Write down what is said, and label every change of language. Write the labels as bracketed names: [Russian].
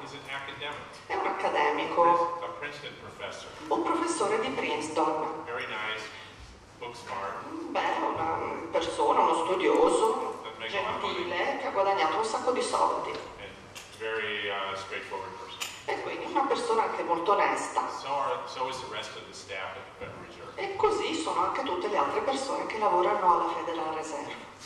[English] He's an academic. [Italian] È un accademico. [English] A Princeton professor. [Italian] Un professore di Princeton. [English] Very nice. Book smart. [Italian] Beh, una persona, uno studioso, gentile, che ha guadagnato un sacco di soldi. [English] Very straightforward person. [Italian] E quindi una persona anche molto onesta. [English] So is the rest of the staff at the Federal Reserve. [Italian] E così sono anche tutte le altre persone che lavorano alla Federal Reserve.